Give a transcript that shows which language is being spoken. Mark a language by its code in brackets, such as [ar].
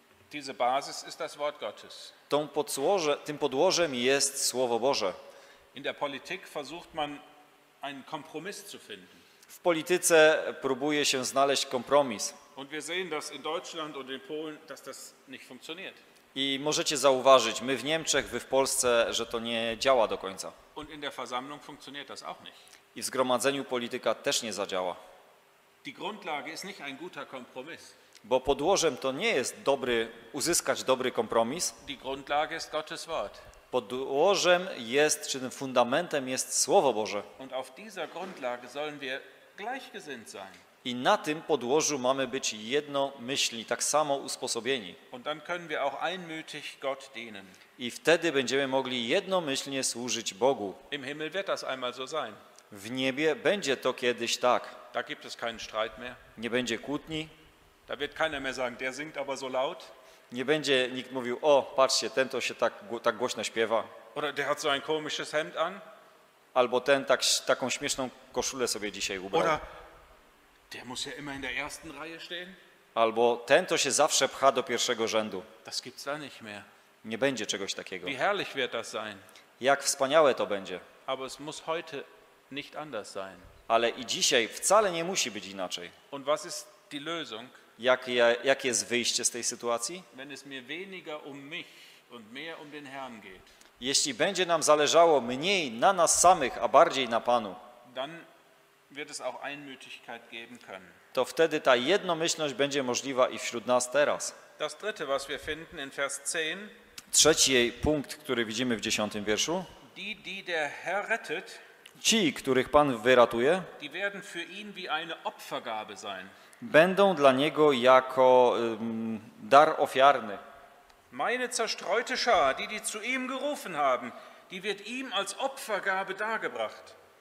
[de] Diese Basis ist das Wort Gottes. [pl] Tym podłożem jest Słowo Boże. [de] In der Politik versucht man einen Kompromiss zu finden. [pl] W polityce próbuje się znaleźć kompromis. [de] Und wir sehen das in Deutschland und in Polen, dass das nicht funktioniert. [pl] I możecie zauważyć, my w Niemczech, wy w Polsce, że to nie działa do końca. [de] Und in der Versammlung funktioniert das auch nicht. [pl] I w zgromadzeniu polityka też nie zadziała. [de] Die Grundlage ist nicht ein guter Kompromiss. [pl] Bo podłożem to nie jest uzyskać dobry kompromis. [de] Die Grundlage ist Gottes Wort. [pl] Podłożem jest, czy tym fundamentem jest Słowo Boże. [de] Und auf dieser Grundlage sollen wir gleichgesinnt sein. [pl] I na tym podłożu mamy być jednomyślni, tak samo usposobieni. [de] Und dann können wir auch einmütig Gott dienen. [pl] I wtedy będziemy mogli jednomyślnie służyć Bogu. [de] Im Himmel wird das einmal so sein. [pl] W niebie będzie to kiedyś tak. [de] Da gibt es keinen Streit mehr. [pl] Nie będzie kłótni. [de] Da wird keiner mehr sagen, der singt aber so laut. [pl] Nie będzie nikt mówił, o, patrzcie, ten to się tak głośno śpiewa. [de] Oder der hat so ein komisches Hemd an. [pl] Albo ten taką śmieszną koszulę sobie dzisiaj ubrał. [de] Oder der muss ja immer in der ersten Reihe stehen. [pl] Albo ten to się zawsze pcha do pierwszego rzędu. [de] Das gibt's da nicht mehr. [pl] Nie będzie czegoś takiego. [de] Wie herrlich wird das sein. [pl] Jak wspaniałe to będzie. [de] Aber es muss heute nicht anders sein. [pl] Ale i dzisiaj wcale nie musi być inaczej. [de] Und was ist die Lösung? [pl] Jak jest wyjście z tej sytuacji? [de] Wenn es mir weniger um mich und mehr um den Herrn geht. [pl] Jeśli będzie nam zależało mniej na nas samych, a bardziej na Panu, [de] dann wird es auch Einmütigkeit geben können. [pl] To wtedy ta jednomyślność będzie możliwa i wśród nas teraz. [de] Das dritte, was wir finden in Vers 10, [pl] trzeci punkt, który widzimy w 10. wierszu. [de] Die der Herr rettet, [pl] ci, których Pan wyratuje, [de] die werden für ihn wie eine Opfergabe sein. [pl] Będą dla niego jako dar ofiarny. [de] Meine zerstreute Schar, die zu ihm gerufen haben, die wird ihm als Opfergabe dargebracht.